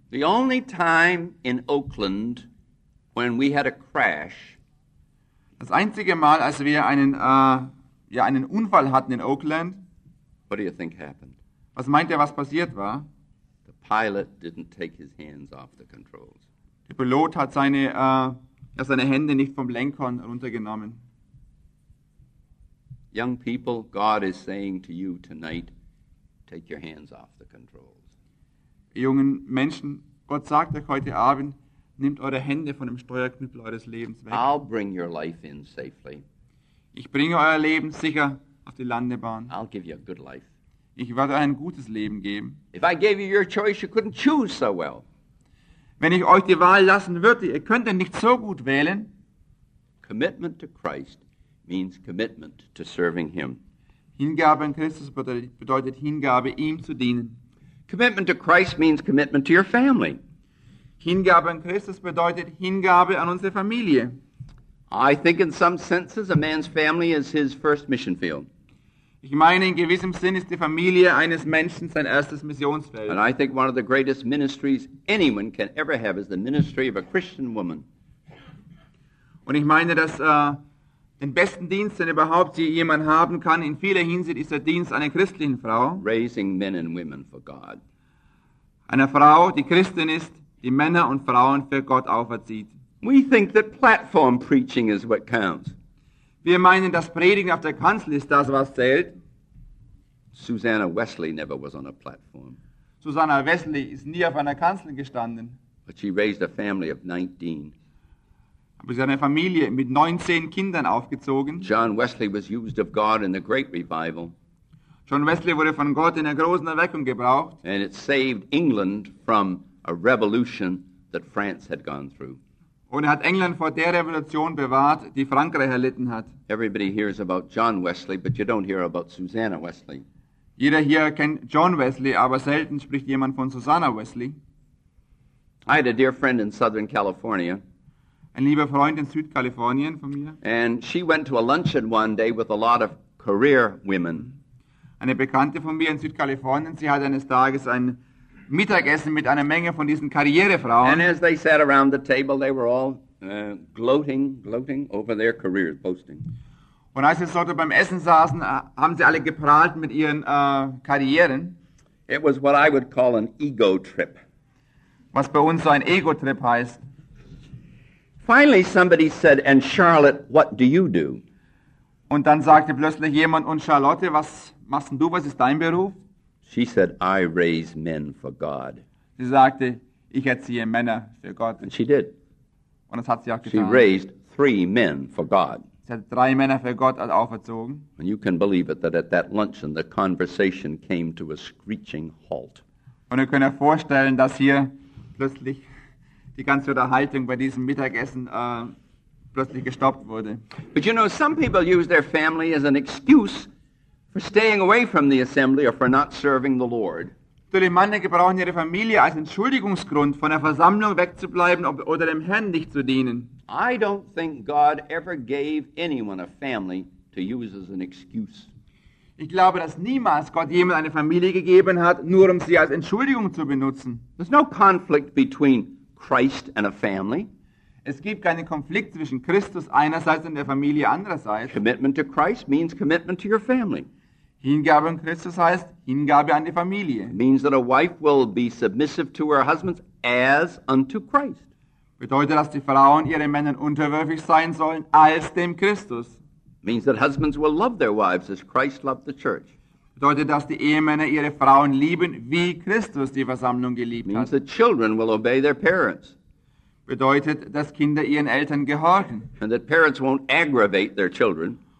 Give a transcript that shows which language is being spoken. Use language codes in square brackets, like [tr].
[en] The only time in Oakland when we had a crash. [de] Das einzige Mal, als wir einen Unfall hatten in Oakland. [en] What do you think happened? [de] Was meint ihr, was passiert war? [en] The pilot didn't take his hands off the controls. [de] Der Pilot hat seine Hände nicht vom Lenkhorn runtergenommen. [en] Young people, God is saying to you tonight, take your hands off the controls. [de] Jungen Menschen, Gott sagt euch heute Abend, nehmt eure Hände von dem Steuerknüppel eures Lebens weg. [en] I'll bring your life in safely. [de] Ich bringe euer Leben sicher auf die Landebahn. [en] I'll give you a good life. [de] Ich werde euch ein gutes Leben geben. [en] If I gave you your choice, you couldn't choose so well. [de] Wenn ich euch die Wahl lassen würde, ihr könntet nicht so gut wählen. [en] Commitment to Christ means commitment to serving him. [de] Hingabe an Christus bedeutet Hingabe ihm zu dienen. [en] Commitment to Christ means commitment to your family. [de] Hingabe an Christus bedeutet Hingabe an unsere Familie. [en] I think in some senses a man's family is his first mission field. [de] Ich meine, in gewissem Sinn ist die Familie eines Menschen sein erstes Missionsfeld. [en] And I think one of the greatest ministries anyone can ever have is the ministry of a Christian woman. [de] Und ich meine, dass den besten Dienst, den überhaupt jemand haben kann, in vieler Hinsicht ist der Dienst einer christlichen Frau. [en] Raising men and women for God. [de] Einer Frau, die Christin ist, die Männer und Frauen für Gott auferzieht. [en] We think that platform preaching is what counts. [de] Wir meinen, dass Predigen auf der Kanzel ist das, was zählt. [en] Susanna Wesley never was on a platform. [de] Susanna Wesley ist nie auf einer Kanzel gestanden. [en] But she raised a family of 19. [de] Aber sie hat eine Familie mit 19 Kindern aufgezogen. [en] John Wesley was used of God in the Great Revival. [de] John Wesley wurde von Gott in der großen Erweckung gebraucht. [en] And it saved England from a revolution that France had gone through. [de] Und hat England vor der Revolution bewahrt, die Frankreich erlitten hat. [en] Everybody hears about John Wesley, but you don't hear about Susanna Wesley. [de] Jeder hier kennt John Wesley, aber selten spricht jemand von Susanna Wesley. [en] I had a dear friend in Southern California. [de] Ein lieber Freund in Südkalifornien von mir. [en] And she went to a luncheon one day with a lot of career women. [de] eine Bekannte von mir in Südkalifornien, sie hat eines Tages ein Mittagessen mit einer Menge von diesen Karrierefrauen. [en] And as they sat around the table, they were all gloating over their careers, boasting. [de] Und als sie so beim Essen saßen, haben sie alle geprahlt mit ihren Karrieren. [en] It was what I would call an ego trip. [de] Was bei uns so ein Ego Trip heißt. [en] Finally somebody said, "And Charlotte, what do you do?" [de] Und dann sagte plötzlich jemand, und Charlotte, was machst du, was ist dein Beruf? [en] She said, "I raise men for God." [de] Sie sagte, ich erziehe Männer für Gott. [en] And she did. [de] Und das hat sie auch getan. [en] She raised three men for God. [de] Sie hat drei Männer für Gott auferzogen. [en] And you can believe it that at that luncheon the conversation came to a screeching halt. [de] Und ihr könnt euch vorstellen, dass hier plötzlich die ganze Unterhaltung bei diesem Mittagessen plötzlich gestoppt wurde. [en] But you know, some people use their family as an excuse for staying away from the assembly or for not serving the Lord. [de] Natürlich, manche brauchen ihre Familie als Entschuldigungsgrund, von der Versammlung wegzubleiben oder dem Herrn nicht zu dienen. [en] I don't think God ever gave anyone a family to use as an excuse. [de] Ich glaube, dass niemals Gott jemand eine Familie gegeben hat, nur um sie als Entschuldigung zu benutzen. [en] There's no conflict between Christ and a family. [de] Es gibt keinen Konflikt zwischen Christus einerseits und der Familie andererseits. [en] Commitment to Christ means commitment to your family. [de] Hingabe an Christus heißt Hingabe an die Familie. [en] It means that a wife will be submissive to her husband as unto Christ. [de] Bedeutet, dass die Frauen ihren Männern unterwürfig sein sollen als dem Christus. [en] It means that husbands will love their wives as Christ loved the church. [de] Bedeutet, dass die Ehemänner ihre Frauen lieben, wie Christus die Versammlung geliebt [en] means Means that children will obey their parents. [de] Bedeutet, dass Kinder ihren Eltern gehorchen. [en] And that parents won't aggravate their children.